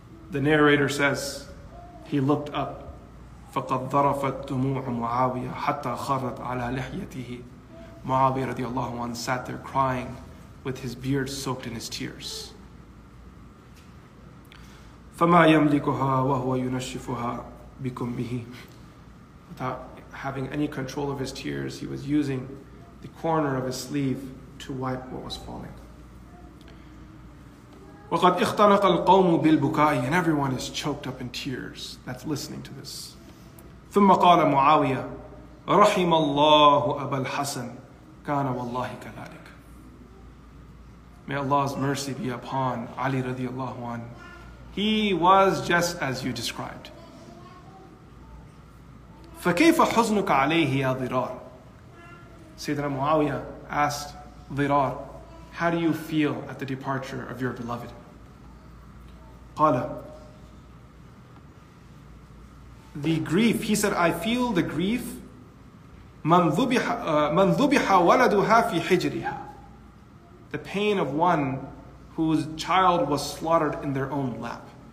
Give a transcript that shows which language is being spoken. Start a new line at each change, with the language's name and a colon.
English: The narrator says, he looked up.
Arabic: فَقَدْ ذَرَفَتْ دُمُوعُ مُعَاوِيَ حَتَّى خَرَّتْ عَلَى لِحْيَتِهِ
English: Muawiyah radiallahu anhu sat there crying with his beard soaked in his tears.
Arabic: فَمَا يَمْلِكُهَا وَهُوَ يُنَشِّفُهَا بِكُمْ بِهِ
English: Without having any control of his tears, he was using the corner of his sleeve to wipe what was falling.
Arabic: وَقَدْ اِخْتَنَقَ الْقَوْمُ بِالْبُكَاءِ
English: And everyone is choked up in tears that's listening to this.
Arabic: ثُمَّ قَالَ مُعَاوِيَ رَحِمَ اللَّهُ أَبَا الْحَسَنِ كَانَ وَاللَّهِ كَذَلِكَ
English: May Allah's mercy be upon Ali radiallahu anhu. He was just as you described.
Arabic: فَكَيْفَ حُزْنُكَ عَلَيْهِ يَا ذِرَارِ
English: Sayyidina Muawiyah asked Dhirar, how do you feel at the departure of your beloved? قَالَ The grief, he said, I feel the grief
Arabic: مَنْ ذُبِحَ وَلَدُهَا فِي حِجْرِهَا
English: The pain of one whose child was slaughtered in their own lap.